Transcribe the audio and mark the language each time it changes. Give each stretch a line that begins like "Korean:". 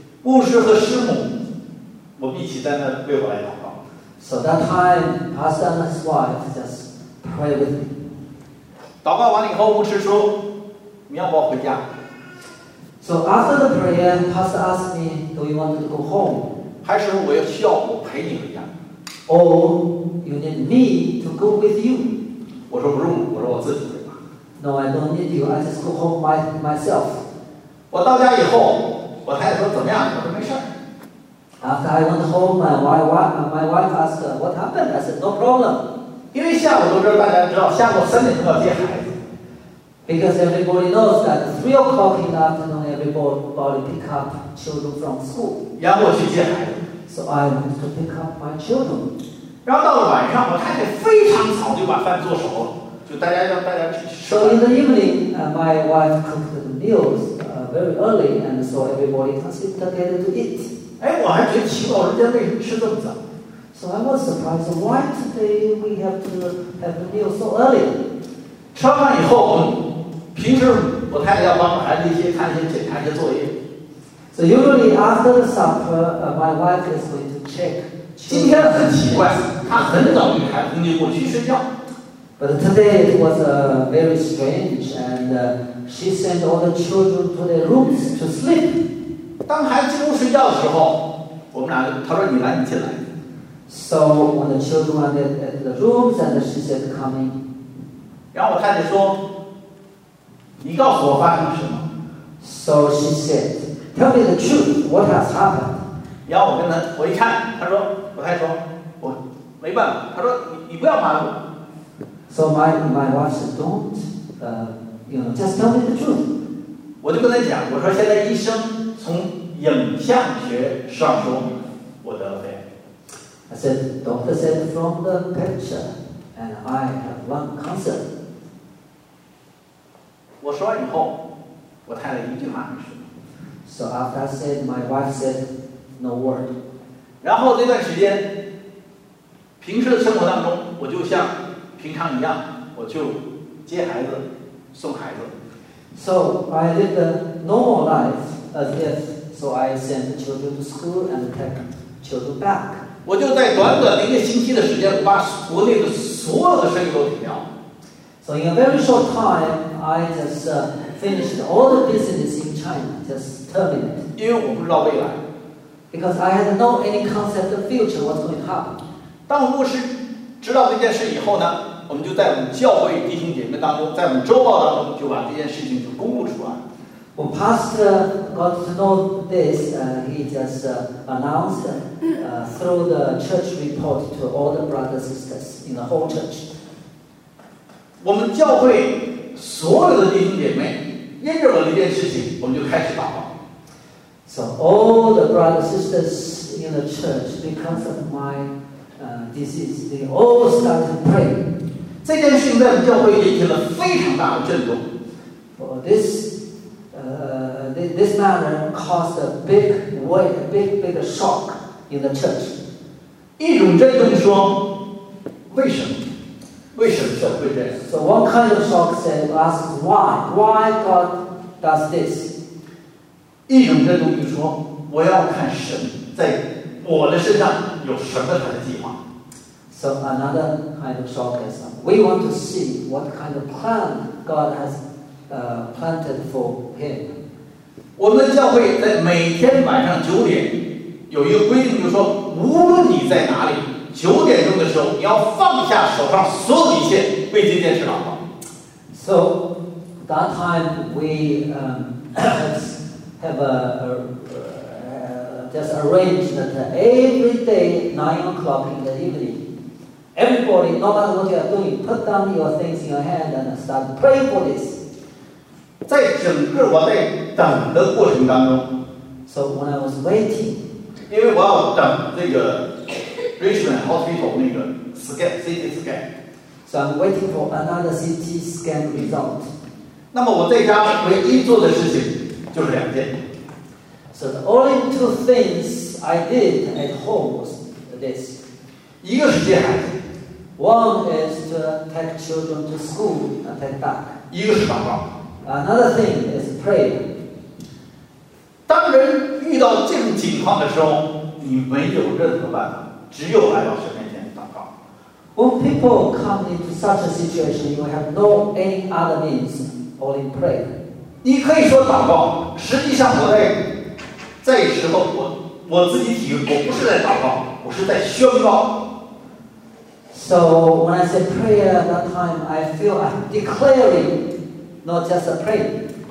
Chinese: 牧师和师母，我们一起在那为我来祷告。
English: So that time, pastor and his wife just pray with me.
Chinese: 祷告完了以后，牧师说：“你要不要回家？”
English: So after the prayer, pastor asked me, "Do you want to go home?"
Chinese: 还是我要需要我陪你回家
English: ？Or you need me to go with you?
Chinese: 我说不用，我说我自己。
English: No, I don't need you. I just go home by myself.
Chinese: 我到家以后，我太太说怎么样？我说没事。
English: After I went home, my wife asked what happened. I said no problem.
Chinese: 因为下午都知道大家知道下午3点要接孩子。
English: Because everybody knows that 3 o'clock in the afternoon, everybody pick up children from school.
Chinese: 然后我去接孩子。
English: So I went to pick up my children.
Chinese: 然后到了晚上，我太太非常早就把饭做熟了，就大家让大家去吃。
English: So in the evening, my wife cooked the meals very early, and so everybody can sit together to eat.
Chinese: 哎，我还觉得奇怪，人家为什么吃这么早
English: ？So I was surprised why today we have to have the meal so early.
Chinese: 吃完饭以后，平时我太太要帮孩子一些看一些检查一些作业。
English: So usually after supper, my wife is going to check.
Chinese: 今天很奇怪，他很早就开空调过去睡觉。
English: But today it was very strange, and she sent all the children to their rooms to sleep.
Chinese: 当孩子进屋睡觉的时候，我们俩就，他说你来，你进来。
English: So when the children are at the rooms, and she said come in.
Chinese: 然后我太太说，你告诉我发生什么。
English: So she said, tell me the truth, what has happened?
Chinese: 然后我跟他，我一看，他说，我太太说，我没办法。他说，你不要瞒我。
English: So my wife said, don't, you know, just tell me the truth.
Chinese: 我就跟他讲，我说现在医生从影像学上说我得了肺癌。
English: I said, doctor said from the picture, and I have lung cancer.
Chinese: 我说完以后，我太太一句话没说。
English: So after I said, my wife said. No word.
Chinese: 然后那段时间，平时的生活当中，我就像平常一样，我就接孩子，送孩子。
English: So I lived a normal life as if. So I send children to school and take children back.
Chinese: 我就在短短的一个星期的时间，把国内的所有的生意都停掉。
English: So in a very short time, I just finished all the business in China, just terminated.
Chinese: 因为我不知道未来。
English: Because I had no any concept of future, what's going to happen?
Chinese: 当牧师知道这件事以后呢，我们就在我们教会弟兄姐妹当中，在我们周报当中就把这件事情就公布出来。
English: When pastor got to know this, he just announced through the church report to all the brothers and sisters in the whole church.
Chinese: 我们教会所有的弟兄姐妹因着我这件事情，我们就开始祷告。
English: So all the brothers and sisters in the church, because of my disease, they all start to pray.
Chinese: 这件事情在教会引起了非常大的震动。
English: For this matter caused a big shock in the church.
Chinese: 一种震动说，为什么？为什么教会这样
English: ？So one kind of shock said, "Ask why? Why God does this?"
Chinese: 一种震动就说：“我要看神在我的身上有什么他的计划。”
English: So So another kind of sarcasm. We want to see what kind of plan God has planted for him.
Chinese: 我们的教会在每天晚上九点有一个规定，就是说无论你在哪里，九点钟的时候你要放下手上所有一切，为这件事祷告。
English: So that time we have just arranged that every day 9 o'clock in the evening, everybody, no matter what you are doing, put down your things in your hand and start pray for this.
Chinese: 在整个我在等的过程当中，
English: So when I was waiting,
Chinese: 因为我要等那个 Richmond Hospital 那个 CT scan,
English: So I'm waiting for another CT scan result.
Chinese: 那么我在家唯一做的事情就是两件。
English: So the only two things I did at home was this.
Chinese: 一个是接孩子。
English: One is to take children to school and take back.
Chinese: 一个是祷告。
English: Another thing is prayer.
Chinese: 当人遇到这种情况的时候，你没有任何办法，只有来到神面前祷告。
English: When people come into such a situation, you have no any other means, only prayer.
Chinese: 你可以说祷告，实际上我在。这时候 我自己体会，我不是在祷告，我是在宣告。
English: So when I say prayer at that time, I feel I'm declaring, not just a prayer.